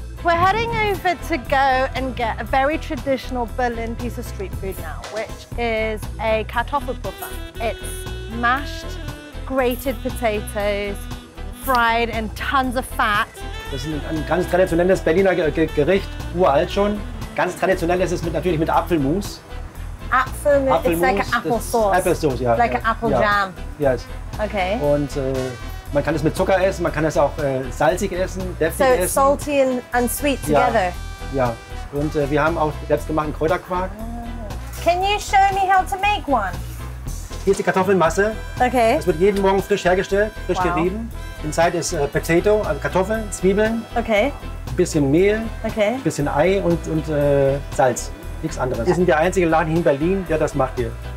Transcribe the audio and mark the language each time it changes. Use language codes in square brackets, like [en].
[en] We're heading over to go and get a very traditional Berlin piece of street food now, which is a Kartoffelpuffer. It's mashed, grated potatoes, fried in tons of fat. [de] Das ist ein ganz traditionelles Berliner Gericht. uralt schon. Ganz traditionell ist es mit, natürlich mit Apfelmus. [en] Apple sauce, [de] ja. [en] Like an apple jam. Yes. Okay. [de] Und man kann es mit Zucker essen, man kann es auch salzig essen, deftig essen. [en] So it's salty and sweet together. [de] Ja. Ja. Und wir haben auch selbstgemachten Kräuterquark. [en] Can you show me how to make one? [de] Hier ist die Kartoffelmasse. [en] Okay. [de] Das wird jeden Morgen frisch hergestellt, frisch gerieben. Inside ist Potato, also Kartoffeln, Zwiebeln. [en] Okay. [de] Ein bisschen Mehl. [en] Okay. [de] Ein bisschen Ei und Salz. Nichts anderes. Wir sind der einzige Laden hier in Berlin, der das macht hier.